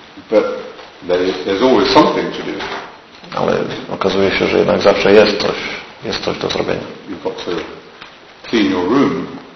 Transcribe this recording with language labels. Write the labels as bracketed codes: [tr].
[en] But there's always something to do. [pl] Ale okazuje się, że jednak zawsze jest coś do zrobienia. [en] You've got to clean your room.